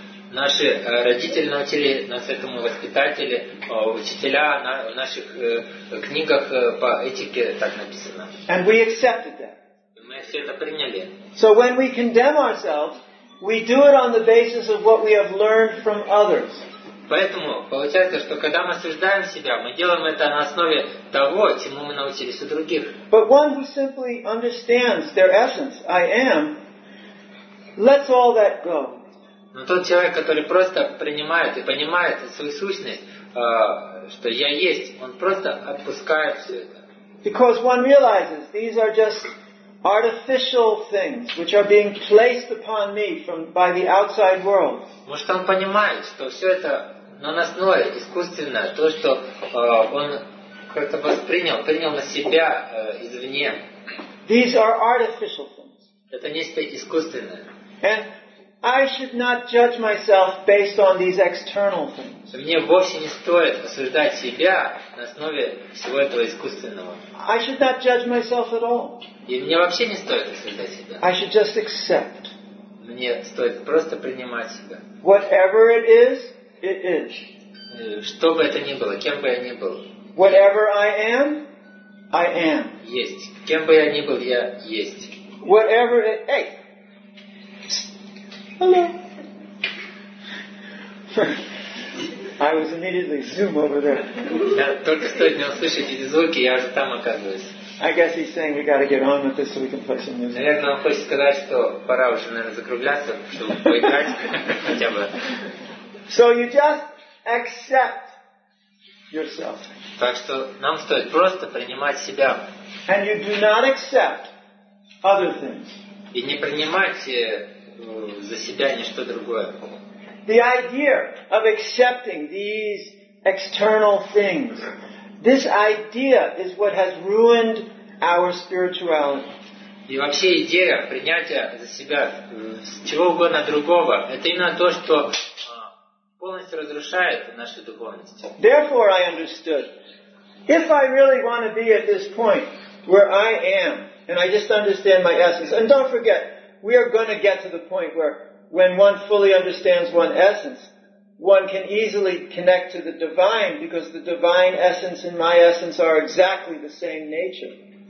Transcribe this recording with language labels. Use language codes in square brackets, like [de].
[ru] Наши родители научили нас этому, воспитатели, учителя, в наших книгах по этике так написано. [en] And we accepted that. [ru] Мы все это приняли. [en] So when we condemn ourselves, we do it on the basis of what we have learned from others. [ru] Поэтому получается, что когда мы осуждаем себя, мы делаем это на основе того, чему мы научились у других. [en] But one who simply understands their essence, I am, lets all that go. [ru] Но тот человек, который просто принимает и понимает свою сущность, что я есть, он просто отпускает все это. [en] Because one realizes these are just artificial things which are being placed upon me from by the outside world. [ru] Может, он понимает, что все это наносное, искусственное, то, что он как-то воспринял, принял на себя извне. [en] These are artificial things. [ru] Это нечто искусственное. [en] And I should not judge myself based on these external things. [ru] Мне вовсе не стоит осуждать себя на основе всего этого искусственного. [en] I should not judge myself at all. [ru] И мне вообще не стоит осуждать себя. [en] I should just accept. [ru] Мне стоит просто принимать себя. [en] Whatever it is, it is. [ru] Что бы это ни было, кем бы я ни был. [en] Whatever I am, I am. [ru] Есть. Кем бы я ни был, я есть. [en] Whatever it is. Hey. Hello. I was immediately zoom over there. [ru] Я только что не услышал эти звуки, я уже там оказываюсь. [en] I guess he's saying we got to get on with this so we can play some music. [ru] Наверное, он хочет сказать, что пора уже, наверное, закругляться, чтобы поиграть хотя бы. [en] So you just accept yourself. [ru] Так что нам стоит просто принимать себя. [en] And you do not accept other things. [ru] И не принимать за себя ничто другое. [en] The idea of accepting these external things, this idea is what has ruined our spirituality. [ru] И вообще идея принятия за себя чего угодно другого, это именно то, что полностью разрушает нашу духовность. [en] Therefore, I understood, if I really want to be at this point where I am, and I just understand my essence, and don't forget, we are going to get to the point where when one fully understands one essence, one can easily connect to the divine because the divine essence and my essence are exactly the same nature.